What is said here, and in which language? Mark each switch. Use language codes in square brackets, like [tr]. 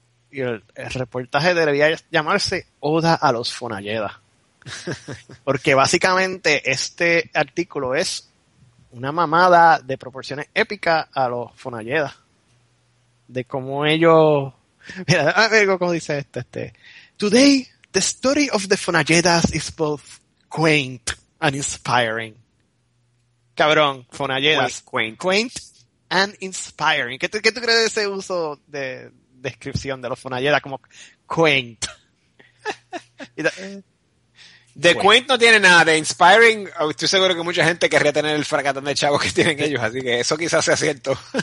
[es] Y el reportaje debería llamarse Oda a los Fonalleda. Porque básicamente este artículo es una mamada de proporciones épicas a los Fonalleda. De cómo ellos... Mira, a ver cómo dice este. [en] Today, the story of the Fonalledas is both quaint and inspiring. [es] Cabrón, Fonalledas. [en] Quaint and inspiring. [es] ¿Qué tú crees de ese uso de descripción de los Fonalledas como quaint? [en] The quaint [es] no tiene nada de inspiring. Estoy seguro que mucha gente querría tener el fracatón de chavos que tienen ellos, así que eso quizás sea cierto.